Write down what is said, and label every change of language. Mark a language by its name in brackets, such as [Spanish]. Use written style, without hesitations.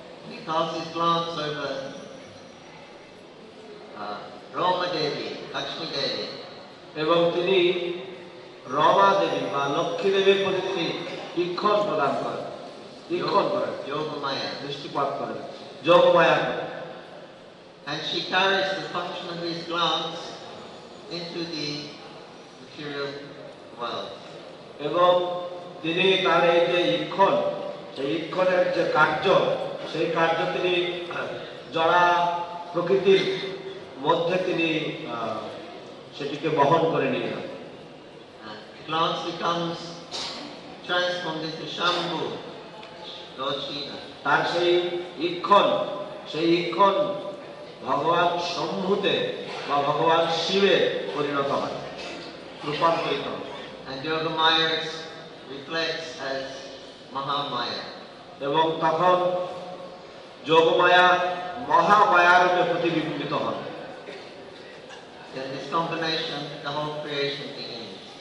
[English] He calls his glance over Rama Devi, Lakshmi Devi. [Bangla] এবং তিনি রমা দেবী বা লক্ষ্মী দেবীর প্রতি তিনি ঈক্ষণ প্রদান করেন, ঈক্ষণ করেন, যোগ মায়া দৃষ্টিপাত করেন, যোগ মায়া করেন। [English] And she carries the function of his glance into the material world. [Bangla] এবং তিনি তার এই যে ঈক্ষণ, সেই ঈক্ষণের যে কার্য, সেই কার্য তিনি জড়া প্রকৃতির মধ্যে তিনি সেটিকে বহন করে নিয়ে যান। [English] Glance becomes transformed into Shambhu, Lord Shiva. [Bangla] তার সেই ঈক্ষণ, সেই ঈক্ষণ ভগবান শম্ভুতে বা ভগবান শিবে পরিণত হয়, রূপান্তরিত হয়। [English] And Yoga Maya's reflects as Mahamaya. [Bangla] এবং তখন যোগমায়া মহামায়া রূপে প্রতিবিম্বিত হয়। [English] Then this combination, the whole creation begins.